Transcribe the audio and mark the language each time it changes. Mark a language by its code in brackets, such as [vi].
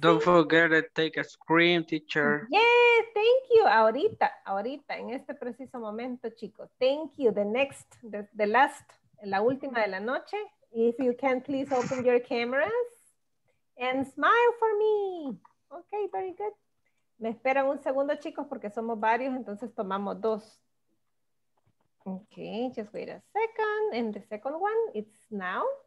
[en] Don't forget to take a screen, teacher. Yes, thank you. [es] Ahorita, ahorita, en este preciso momento, chicos. [en] Thank you. The next, the last, [es] la última de la noche. [en] If you can, please open your cameras and smile for me. Okay, very good. [es] Me esperan un segundo, chicos, porque somos varios, entonces tomamos dos. [en] Okay, just wait a second, and the second one, it's now.